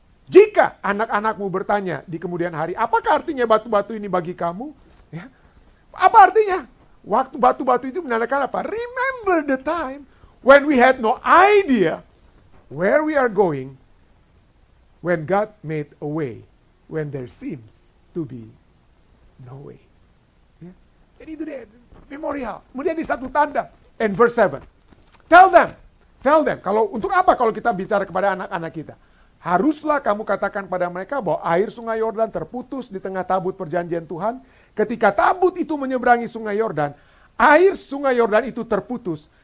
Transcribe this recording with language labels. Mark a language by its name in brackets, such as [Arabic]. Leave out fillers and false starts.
[Indonesian] Jika anak-anakmu bertanya di kemudian hari, apakah artinya batu-batu ini bagi kamu? Ya. Apa artinya? Waktu batu-batu itu menandakan apa? [English] Remember the time when we had no idea where we are going when God made a way when there seems to be no way. [Indonesian] Jadi itu dia, memorial. Kemudian ini satu tanda. [English] And verse 7. Tell them. [Indonesian] Kalau untuk apa kalau kita bicara kepada anak-anak kita? Haruslah kamu katakan kepada mereka bahwa air sungai Yordan terputus di tengah tabut perjanjian Tuhan. Ketika tabut itu menyeberangi sungai Yordan, air sungai Yordan itu terputus.